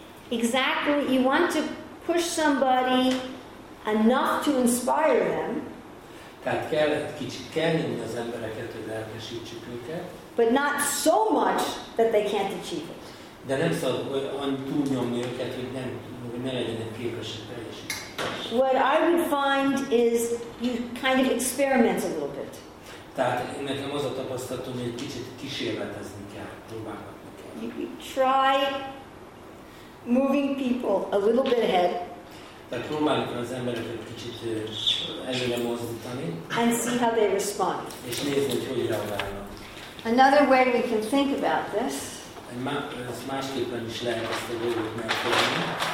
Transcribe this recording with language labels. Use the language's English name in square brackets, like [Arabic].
[English] Exactly. You want to push somebody enough to inspire them. [Hungarian] Tehát kell egy kicsit kenni az embereket, hogy elkesítsük őket. [English] But not so much that they can't achieve it. [Hungarian] De nem szabad annyit túlnyomni őket, hogy ne legyenek képesek teljesíteni. [English] What I would find is you kind of experiment a little bit. [Hungarian] Tehát én nekem az a tapasztalatom, hogy egy kicsit kísérletezni kell, próbálgatni kell. [English] You try moving people a little bit ahead. [Hungarian] Tehát próbáljuk az embereket kicsit előre mozdítani. [English] And see how they respond. [Hungarian] És nézni, hogy hogy reagálnak. [English] Another way we can think about this. [Hungarian] Ez másképpen is lehet ezt a dolgot megfogni.